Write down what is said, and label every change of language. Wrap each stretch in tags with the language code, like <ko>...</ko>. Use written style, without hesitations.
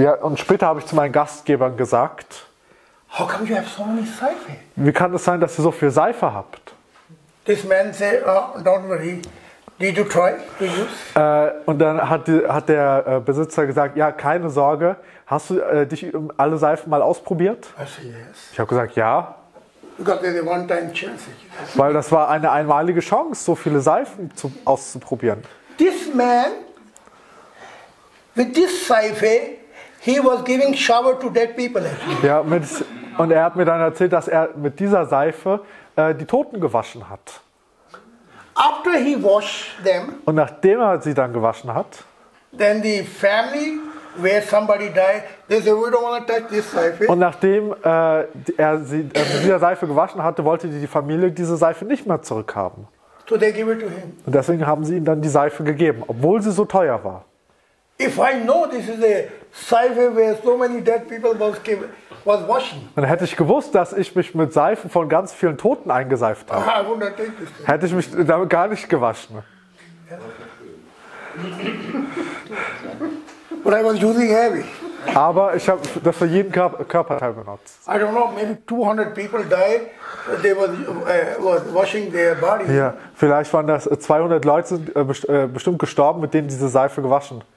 <de>Ja, und später habe ich zu meinen Gastgebern gesagt,</de> <en>How come you have so many Seife?</en> <de>Wie kann es sein, dass ihr so viel Seife habt?</de> <en>This man said, oh, don't worry. Did you try to use?</en> <de>Und dann hat der Besitzer gesagt, ja, keine Sorge. Hast du dich alle Seifen mal ausprobiert?</de> <en>I said, yes.</en> <de>Ich habe gesagt, ja.</de> <en>Because there's a one-time chance.</en> <de>Weil das war eine einmalige Chance, so viele Seifen auszuprobieren.</de> <en>This man, with this Seife, He was giving shower to dead people.</en> <de>Ja, und er hat mir dann erzählt, dass er mit dieser Seife die Toten gewaschen hat.</de> <en>After he washed them.</en> <de>Und nachdem er sie dann gewaschen hat.</de> <en>Then the family where somebody died, they said, we don't want to touch this Seife.</en> <de>Und nachdem er sie mit dieser Seife gewaschen hatte, wollte die Familie diese Seife nicht mehr zurückhaben.</de> <en>So they gave it to him.</en> <de>Und deswegen haben sie ihm dann die Seife gegeben, obwohl sie so teuer war.</de> <en>If I know this is a Seife where so many dead people was washing.</en> <de>Dann hätte ich gewusst, dass ich mich mit Seifen von ganz vielen Toten eingeseift habe.</de> <en>I would not take this thing.</en> <de>Hätte ich mich damit gar nicht gewaschen.</de> <en>Yeah. But I was using heavy.</en> <de>Aber ich habe das für jeden Körperteil benutzt.</de> <en>I don't know, maybe 200 people died, they were washing their body.</en> <de>Ja, vielleicht waren das 200 Leute sind bestimmt gestorben, mit denen diese Seife gewaschen.</de>